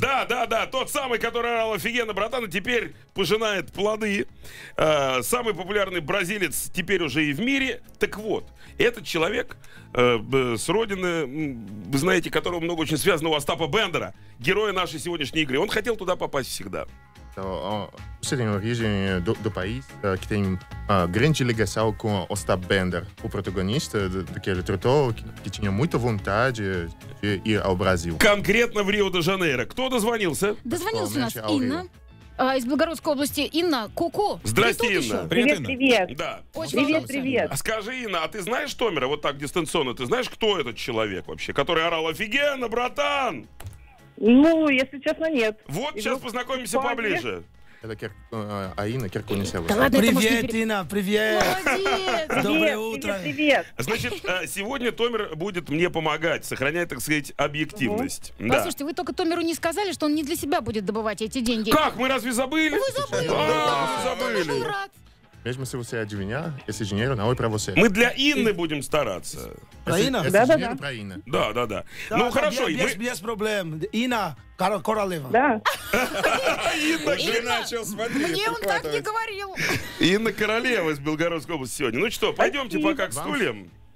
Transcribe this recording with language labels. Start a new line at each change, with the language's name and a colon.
Russian: Да, тот самый, который орал офигенно, братан, и теперь пожинает плоды. Самый популярный бразилец теперь уже и в мире. Так вот, этот человек с родины, вы знаете, которого много очень связано, у Остапа Бендера, героя нашей сегодняшней игры. Он хотел туда попасть всегда.
Portuguese: Você tem origem do país, que tem grande ligação com Ostap Bender, o protagonista daquele tritolo, que tinha muita vontade de ir ao Brasil.
Russian: Конкретно в Рио-де-Жанейро. Кто дозвонился? Дозвонилась у нас Инна из Белгородской области. Инна, ку-ку. Здрасте, Инна. Привет. Да. Привет. Скажи, Инна, а ты знаешь Томера вот так дистанционно? Ты знаешь, кто этот человек вообще, который орал офигенно, братан? Ну, если честно, нет. Вот, сейчас познакомимся поближе. Это Инна Киркунисева. Да ладно, привет, Инна, привет. Молодец. Доброе утро. Значит, сегодня Томер будет мне помогать, сохраняя, так сказать, объективность. Угу. Да. Послушайте, вы только Томеру не сказали, что он не для себя будет добывать эти деньги. Как, мы разве забыли? Мы забыли.
Portuguese: Mesmo se você adivinhar, esse dinheiro não é pra você.
Russian: Мы для Инны будем стараться. Про Инна? Да. Ну, хорошо. Без проблем. Инна, королева. Да. Инна же начал, смотри. Мне он так не говорил. Инна королева из Белгородской области сегодня. Ну что, пойдемте пока к стульям.